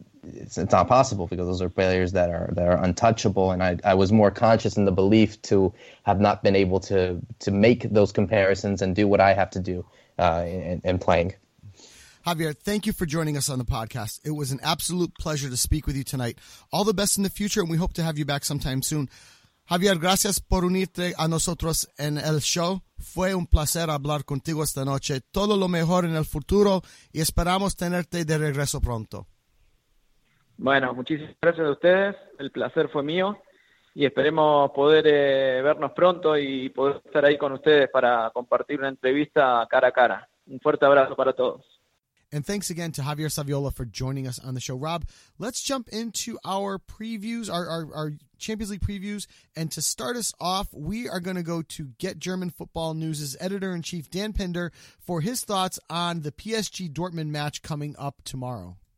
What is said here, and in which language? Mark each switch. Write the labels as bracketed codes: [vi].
[en] It's not possible because those are players that are untouchable, and I was more conscious in the belief to have not been able to make those comparisons and do what I have to do in playing. Javier, thank you for joining us on the podcast. It was an absolute pleasure to speak with you tonight. All the best in the future, and we hope to have you back sometime soon. [es] Javier, gracias por unirte a nosotros en el show. Fue un placer hablar contigo esta noche. Todo lo mejor en el futuro, y esperamos tenerte de regreso pronto. Bueno, muchísimas gracias a ustedes. El placer fue mío y esperemos poder vernos pronto y poder estar ahí con ustedes para compartir una entrevista cara a cara. Un fuerte abrazo para todos. [en] And thanks again to Javier Saviola for joining us on the show. Rob, let's jump into our previews, our Champions League previews. And to start us off, we are going to go to Get German Football News' editor-in-chief Dan Pinder for his thoughts on the PSG-Dortmund match coming up tomorrow.